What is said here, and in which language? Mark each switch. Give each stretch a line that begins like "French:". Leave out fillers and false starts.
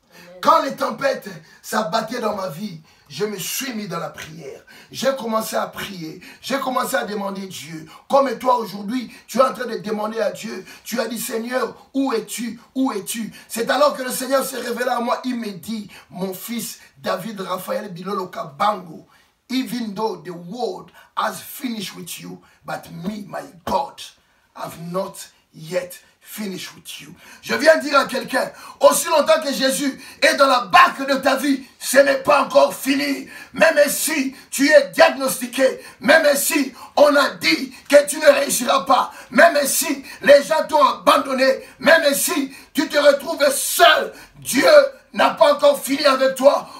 French: Amen. Quand les tempêtes s'abattaient dans ma vie, je me suis mis dans la prière. J'ai commencé à prier. J'ai commencé à demander Dieu. Comme toi aujourd'hui, tu es en train de demander à Dieu. Tu as dit, Seigneur, où es-tu? Où es-tu? C'est alors que le Seigneur s'est révélé à moi. Il me dit, mon fils
English: David Raphaël Bilolo Kabango, even though the world has finished with you, but me, my God, have not yet finished with you.
French: Je viens dire à quelqu'un, aussi longtemps que Jésus est dans la barque de ta vie, ce n'est pas encore fini. Même si tu es diagnostiqué, même si on a dit que tu ne réussiras pas, même si les gens t'ont abandonné, même si tu te retrouves seul, Dieu n'a pas encore fini avec toi.